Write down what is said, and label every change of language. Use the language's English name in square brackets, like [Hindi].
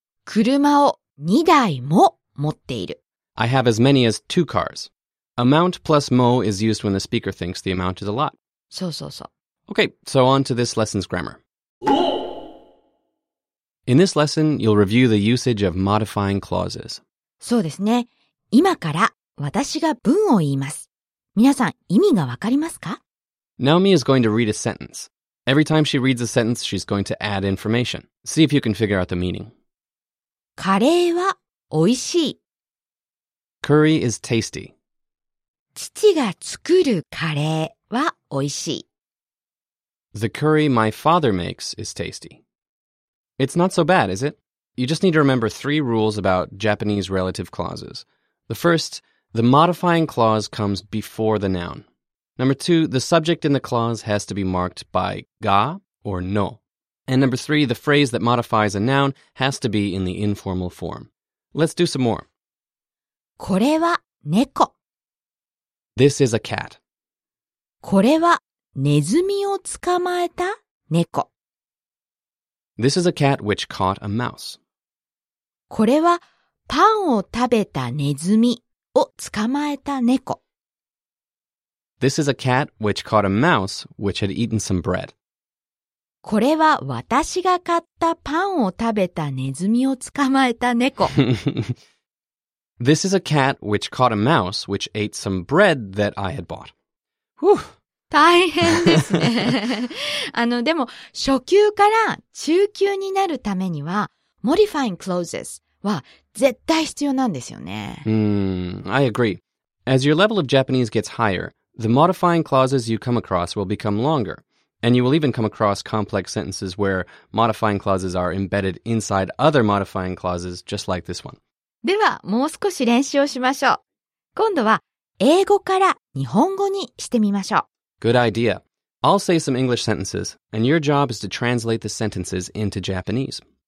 [Japanese] 車を2台も持っている。 [English] I have as many as two cars. Amount plus も is used when the speaker thinks the amount is a lot. [Japanese] そうそうそう。 [English] Okay, so on to this lesson's grammar. In this lesson, you'll review the usage of modifying clauses. [Japanese] そうですね。今から私が文を言います。皆さん、意味がわかりますか？ [English] Naomi is going to read a sentence. Every time she reads a sentence, she's going to add information. See if you can figure out the meaning. [Japanese] カレーは美味しい。 [English] Curry is tasty. [Japanese] 父が作るカレーは美味しい。 [English] The curry my father makes is tasty. It's not so bad, is it? You just need to remember three rules about Japanese relative clauses. The first, the modifying clause comes before the noun. Number two, the subject in the clause has to be marked by ga or no. And number three, the phrase that modifies a noun has to be in the informal form. Let's do some more. [Japanese] これは猫。 [English] This is a cat. [Japanese] これはネズミを捕まえた猫。 [English] This is a cat which caught a mouse. [Japanese] これはパンを食べたネズミを捕まえた猫。 [English] This is a cat which caught a mouse which had eaten some bread. [Japanese] これは私が買ったパンを食べたネズミを捕まえた猫。 [English] This is a cat which caught a mouse which ate some bread that I had bought. Whew! [Japanese] 大変ですね。でも初級から中級になるためには modifying clauses は絶対必要なんですよね。 [English] I agree. As your level of Japanese gets higher, the modifying clauses you come across will become longer. And you will even come across complex sentences where modifying clauses are embedded inside other modifying clauses, just like this one. [Japanese] ではもう少し練習をしましょう。今度は英語から日本語にしてみましょう。 [English] Good idea. I'll say some English sentences, and your job is to translate the sentences into Japanese.